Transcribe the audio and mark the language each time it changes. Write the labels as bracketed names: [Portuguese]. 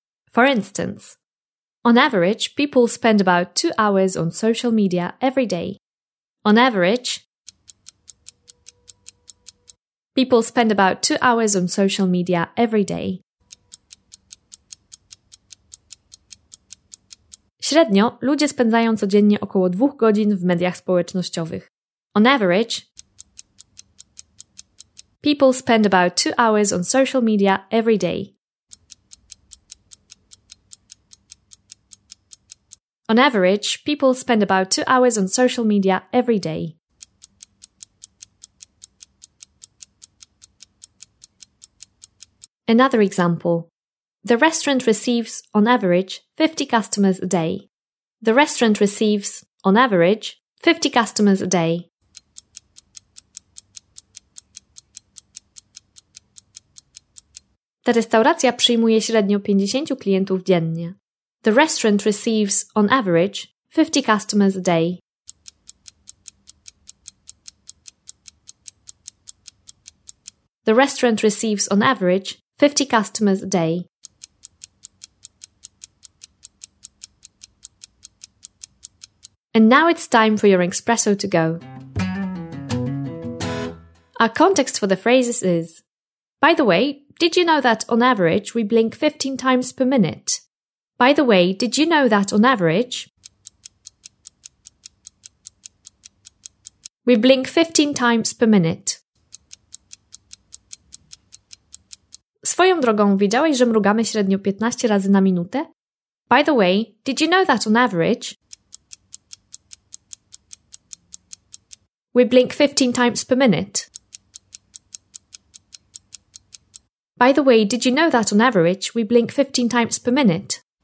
[English] For instance, on average, people spend about 2 hours on social media every day. On average, people spend about 2 hours on social media every day. [Polish] Średnio, ludzie spędzają codziennie około 2 godzin w mediach społecznościowych. [English] On average, people spend about 2 hours on social media every day. On average, people spend about 2 hours on social media every day. Another example. The restaurant receives, on average, 50 customers a day. The restaurant receives, on average, 50 customers a day. [Polish] Ta restauracja przyjmuje średnio 50 klientów dziennie. [English] The restaurant receives, on average, 50 customers a day. The restaurant receives, on average, 50 customers a day. And now it's time for your espresso to go. Our context for the phrases is: by the way, did you know that on average we blink 15 times per minute? By the way, did you know that on average we blink 15 times per minute? [Polish] Swoją drogą, widziałeś, że mrugamy średnio 15 razy na minutę? [English] By the way, did you know that on average we blink 15 times per minute? By the way, did you know that on average we blink 15 times per minute?